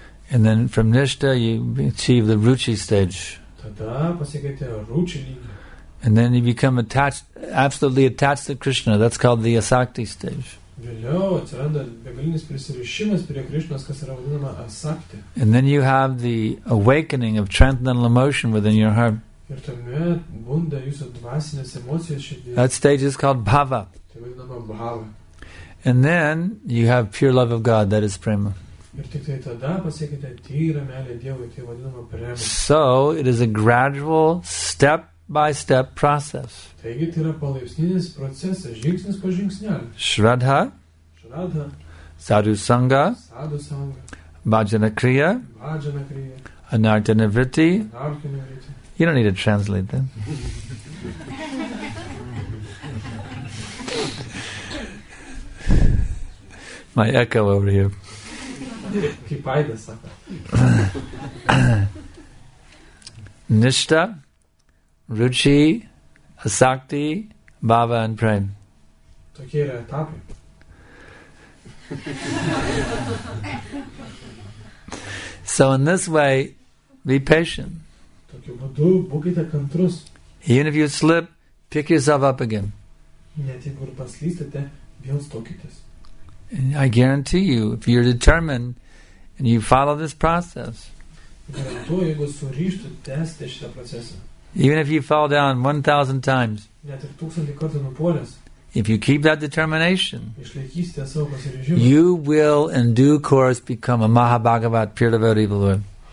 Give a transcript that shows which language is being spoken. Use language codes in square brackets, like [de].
[en] And then from Nishta you achieve the Ruchi stage. [lt] Tada pasiekiate Ruchi lygį. [en] And then you become attached, absolutely attached to Krishna. That's called the Asakti stage. [lt] Vėliau atsiranda begalinis prisirišimas prie Krishnos, kas yra vadinama Asakti. [en] And then you have the awakening of transcendental emotion within your heart. [lt] Ir tuomet bunda jūsų dvasinės emocijos širdyje. [en] That stage is called Bhava. [lt] Tai vadinama Bhava. [en] And then you have pure love of God, that is Prema. So it is a gradual step by step process. Shraddha, Sadhusanga, Bhajana Kriya, Anartana Vritti. You don't need to translate them. My echo over here. Nishta, Ruchi, Asakti, Bhava and Prem. [lt] Tokie yra etapai. [en] So in this way, be patient. [lt] Tokiu būdu būkite kantrus. [en] Even if you slip, pick yourself up again. [lt] Net jeigu ir paslystate, vėl stokitės. [en] And I guarantee you, if you're determined and you follow this process, even if you fall down 1,000 times, if you keep that determination, you will in due course become a Mahabhagavat, pure devotee of the Lord.